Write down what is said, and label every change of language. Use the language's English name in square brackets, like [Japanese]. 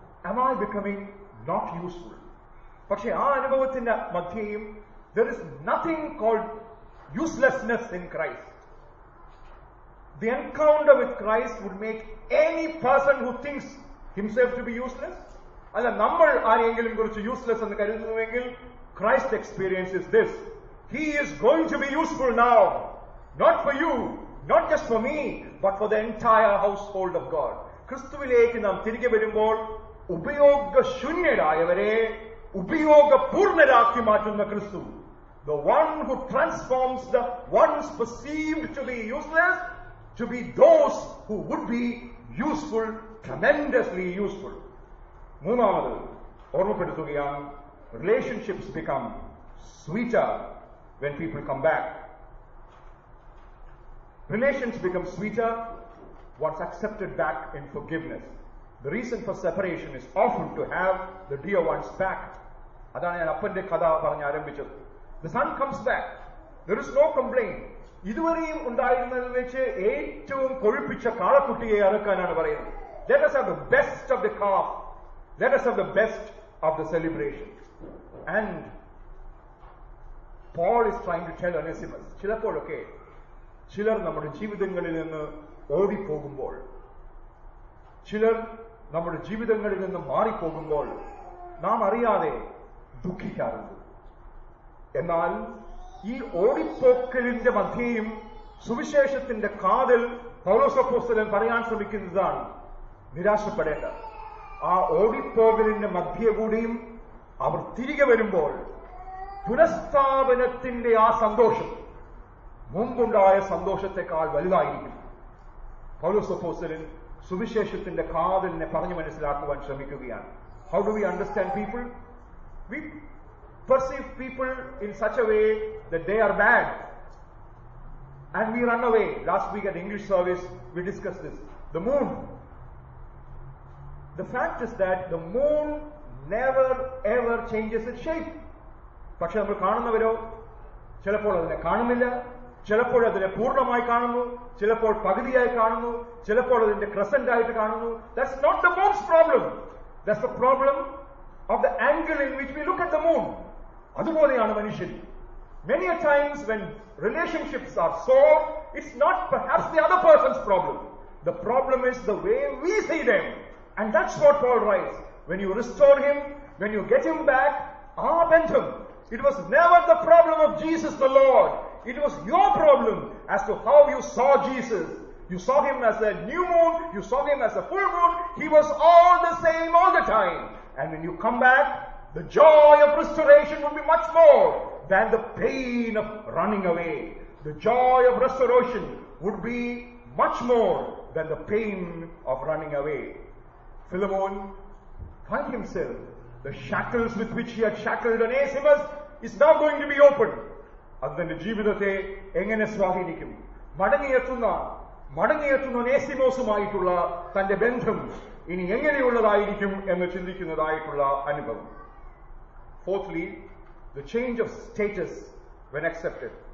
[English] Am I becoming not useful? [Malayalam] പക്ഷേ ആ അനുഭവത്തിന്റെ മധ്യയും [English] There is nothing called uselessness in Christ. The encounter with Christ would make any person who thinks himself to be useless. [Malayalam] അല്ല, നമ്മൾ ആരെയെങ്കിലും കുറിച്ച് useless എന്ന് കരുതുന്നുവെങ്കിൽ [English] Christ's experience is this. He is going to be useful now. Not for you, not just for me, but for the entire household of God. [Malayalam] ക്രിസ്തുവിലേക്ക് നാം തിരികെ വരുമ്പോൾ ഉപയോഗശൂന്യരായവരെ ഉപയോഗപൂർണരാക്കി മാറ്റുന്ന ക്രിസ്തു, [English] the one who transforms the ones perceived to be useless to be those who would be useful, tremendously useful. [Malayalam] മൂന്നാമത് ഓർമ്മപ്പെടുത്തുകയാണ്, [English] relationships become sweeter when people come back. Relations become sweeter what's accepted back in forgiveness. The reason for separation is often to have the dear ones back. [Malayalam] അതാണ് ഞാൻ അപ്പന്റെ കഥ പറഞ്ഞ് ആരംഭിച്ചത്. [English] The son comes back. There is no complaint. [Malayalam] ഇതുവരെയും ഉണ്ടായിരുന്നതിൽ വെച്ച് ഏറ്റവും കൊഴുപ്പിച്ച കാളക്കുട്ടിയെ അറക്കാനാണ് പറയുന്നത്. [English] Let us have the best of the calf. Let us have the best of the celebration. And Paul is trying to tell Onesimus, [Malayalam] ചിലപ്പോഴൊക്കെ ചിലർ നമ്മുടെ ജീവിതങ്ങളിൽ നിന്ന് ഓടിപ്പോകുമ്പോൾ, ചിലർ നമ്മുടെ ജീവിതങ്ങളിൽ നിന്ന് മാറിപ്പോകുമ്പോൾ നാം അറിയാതെ ദുഃഖിക്കാറുണ്ട്. എന്നാൽ ഈ ഓടിപ്പോക്കലിന്റെ മധ്യയും സുവിശേഷത്തിന്റെ കാതൽ പൗലോസ് അപ്പോസ്തലൻ പറയാൻ ശ്രമിക്കുന്നതാണ്, നിരാശപ്പെടേണ്ട. ആ ഓടിപ്പോകലിന്റെ മധ്യ കൂടിയും അവർ തിരികെ വരുമ്പോൾ പുനഃസ്ഥാപനത്തിന്റെ ആ സന്തോഷം മുമ്പുണ്ടായ സന്തോഷത്തെക്കാൾ വലുതായിരിക്കും. പൗലോസ് അപ്പോസ്തലൻ സുവിശേഷത്തിന്റെ കാതലിനെ പറഞ്ഞു മനസ്സിലാക്കുവാൻ ശ്രമിക്കുകയാണ്. [English] How do we understand people? We perceive people in such a way that they are bad and we run away. Last week at English service we discussed this. The moon. The fact is that the moon never ever changes its shape. [Malayalam] പക്ഷെ നമ്മൾ കാണുന്നവരോ ചിലപ്പോൾ അതിനെ കാണുന്നില്ല, ചിലപ്പോൾ അതിനെ പൂർണ്ണമായി കാണുന്നു, ചിലപ്പോൾ പകുതിയായി കാണുന്നു, ചിലപ്പോൾ അതിന്റെ ക്രസന്റ് ആയിട്ട് കാണുന്നു. [English] That's not the moon's problem. That's the problem of the angle in which we look at the moon. [Malayalam] അതുപോലെയാണ് മനുഷ്യൻ. [English] Many a times when relationships are sore, it's not perhaps the other person's problem. The problem is the way we see them. And that's what Paul writes. When you restore him, when you get him back, ah, Bentham, it was never the problem of Jesus the Lord. It was your problem as to how you saw Jesus. You saw him as a new moon, you saw him as a full moon. He was all the same all the time. And when you come back, the joy of restoration would be much more than the pain of running away. The joy of restoration would be much more than the pain of running away. Philemon found himself, the shackles with which he had shackled Onesimus is now going to be opened. [Malayalam] അതിന്റെ ജീവിതത്തെ എങ്ങനെ സ്വാധീനിക്കും? മടങ്ങിയെത്തുന്ന ഒനേസിമോസുമായിട്ടുള്ള തന്റെ ബന്ധം ഇനി എങ്ങനെയുള്ളതായിരിക്കും എന്ന് ചിന്തിക്കുന്നതായിട്ടുള്ള അനുഭവം. [English] Fourthly, the change of status when accepted.